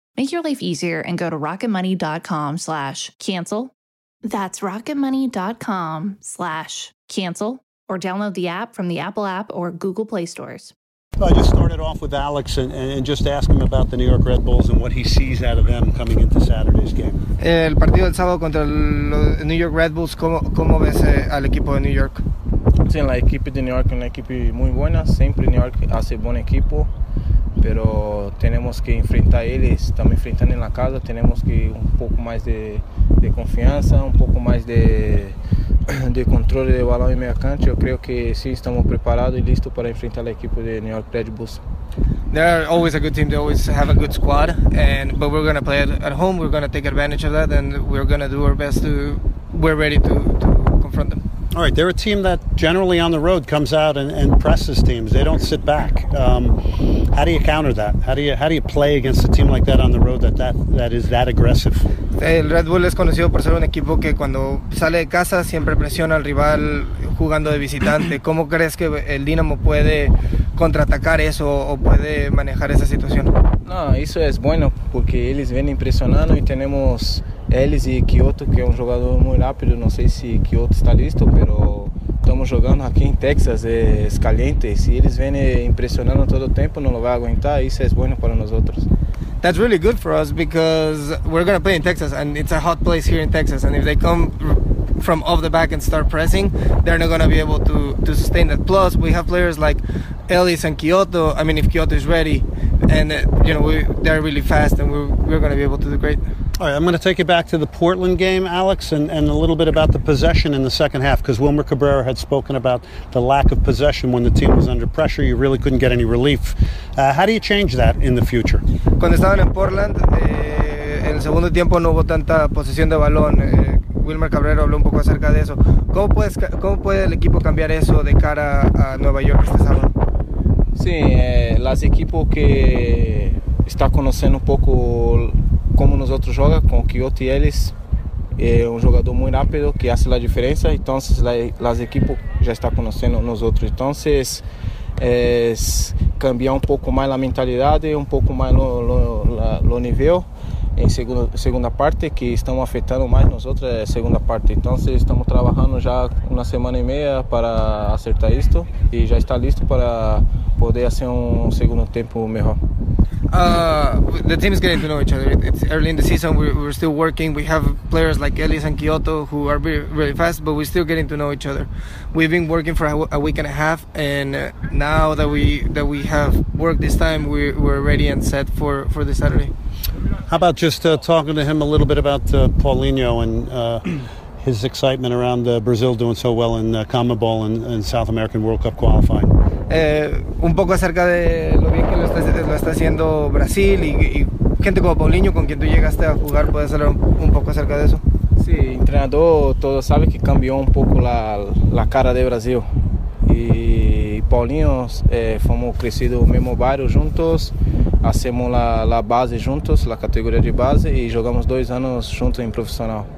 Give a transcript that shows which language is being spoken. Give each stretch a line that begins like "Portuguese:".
English: Make your life easier and go to rocketmoney.com/cancel. That's rocketmoney.com/cancel, or download the app from the Apple App or Google Play Stores. I just started off with Alex and just ask him about the New York Red Bulls and what he sees out of them coming into Saturday's game.
Spanish: El partido del sábado contra los New York Red Bulls, ¿cómo ves al equipo de New York? Sí, la equipo de New York es una equipo muy buena. Siempre New York hace buen equipo, pero tenemos que enfrentar ellos. Estamos enfrentando en la casa, tenemos que un poco más de confianza, un poco más de control de balón en medio campo. Yo creo que sí, estamos preparados y listos para enfrentar al equipo de New York Red Bulls.
English: They're always a good team, they always have a good squad, but we're going to play at home, we're going to take advantage of that, and we're going to do our best to, we're ready to confront them. All right, they're a team that generally on the road comes out and presses teams. They don't sit back. How do you counter that? How do you play against a team like that on the road that is that aggressive?
Spanish: El Red Bull es conocido por ser un equipo que cuando sale de casa siempre presiona al rival jugando de visitante. ¿Cómo crees que el Dinamo puede contraatacar eso o puede manejar esa situación? No, eso es bueno porque ellos vienen presionando y tenemos ellos y Kyoto, que es un jugador muy rápido. No sé si Kyoto está listo, pero estamos jugando aquí en Texas, es caliente. Si ellos vienen presionando todo el tiempo, no lo va a aguantar. Eso es bueno para nosotros.
English: That's really good for us because we're going to play in Texas and it's a hot place here in Texas. And if they come from off the back and start pressing, they're not going to be able to sustain that. Plus, we have players like Ellis and Kyoto. I mean, if Kyoto is ready, and you know, they're really fast, and we're going to be able to do great. All right, I'm going to take you back to the Portland game, Alex, and a little bit about the possession in the second half, because Wilmer Cabrera had spoken about the lack of possession when the team was under pressure. You really couldn't get any relief. How do you change that in the future?
Spanish: Cuando estaban en Portland, en el segundo tiempo no hubo tanta posesión de balón. Wilmer Cabrera habló un poco acerca de eso. ¿Cómo puede el equipo cambiar eso de cara a Nueva York este sábado? Sí, las equipos que está conociendo un poco como nosotros joga con Kyoto y Ellis, un jugador muy rápido que hace la diferencia. Entonces las equipos ya está conociendo nosotros. Entonces es cambiar un poco más la mentalidad, un poco más lo nivel en segunda parte, que estamos afectando más nosotros en segunda parte. Entonces estamos trabajando ya una semana y media para acertar esto y ya está listo para poder hacer un segundo tiempo mejor.
English: The team is getting to know each other. It's early in the season. We're still working. We have players like Ellis and Kyoto who are really fast, but we're still getting to know each other. We've been working for a week and a half, and now that we have worked this time, we're ready and set for this Saturday. How about just talking to him a little bit about Paulinho and his excitement around Brazil doing so well in CONMEBOL and South American World Cup qualifying?
Spanish: Un poco acerca de lo bien que lo está haciendo Brasil y gente como Paulinho, con quien tú llegaste a jugar, ¿puedes hablar un poco acerca de eso? Sí, entrenador, todos saben que cambió un poco la cara de Brasil. Y Paulinho, fuimos crecidos en el mismo barrio juntos, hacemos la base juntos, la categoría de base, y jugamos 2 años juntos en profesional.